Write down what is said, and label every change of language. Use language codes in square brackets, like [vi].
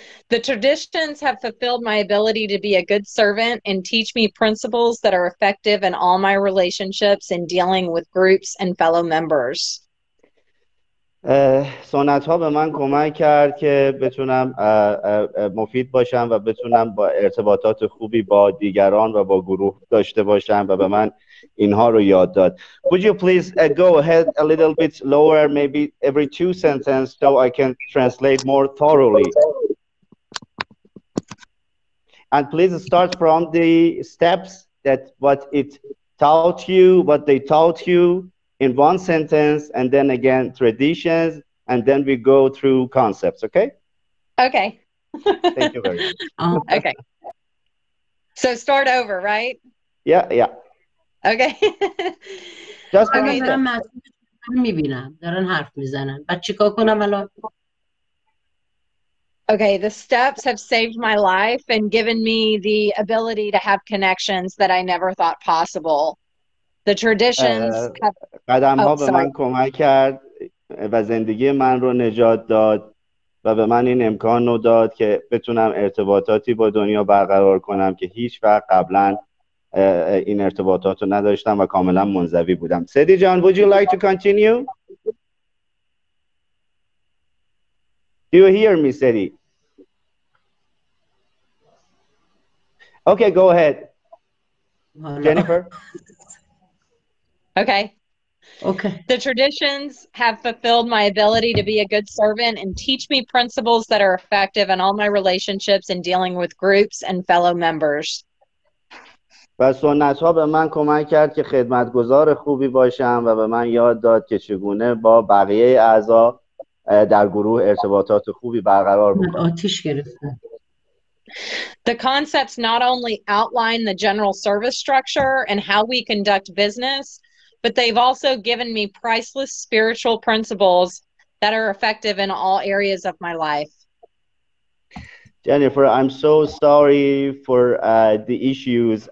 [en] The traditions have fulfilled my ability to be a good servant and teach me principles that are effective in all my relationships in dealing with groups and fellow members. [fa] سنت‌ها به من کمک کرد که بتونم مفید باشم و بتونم با ارتباطات خوبی با دیگران و با گروه داشته باشم و به من اینها رو یاد داد. [en] Would you please go ahead a little bit lower, maybe every two sentence, so I can translate more thoroughly. And please start from the steps that what it taught you, what they taught you in one sentence, and then again traditions, and then we go through concepts, okay? Okay. Thank you very much. Okay. So start over, right? Yeah, yeah. Okay. Just I mean, I'm [fa] میبینم دارن حرف میزنن. بعد چیکار کنم الان؟ [en] Okay, the steps have saved my life and given me the ability to have connections that I never thought possible. The traditions [fa] قدم‌ها به من کمک کرد و زندگی من رو نجات داد و به من این امکان رو داد که بتونم ارتباطاتی با دنیا برقرار کنم که هیچ وقت قبلا این ارتباطات رو نداشتم و کاملا منزوی بودم. [en] سیدی جان, would you like to continue? Do you hear me, Sadi? Okay, go ahead. Jennifer? Okay. Okay. The traditions have fulfilled my ability to be a good servant and teach me principles that are effective in all my relationships and dealing with groups and fellow members. [fa] و سنت‌ها به من کمک کرد که خدمتگزار خوبی باشم و به من یاد داد که چگونه با بقیه اعضا در گروه ارتباطات خوبی برقرار بکنم. آتش گرفت. [en] The concepts not only outline the general service structure and how we conduct business, but they've also given me priceless spiritual principles that are effective in all areas of my life. Jennifer, I'm so sorry for the issues.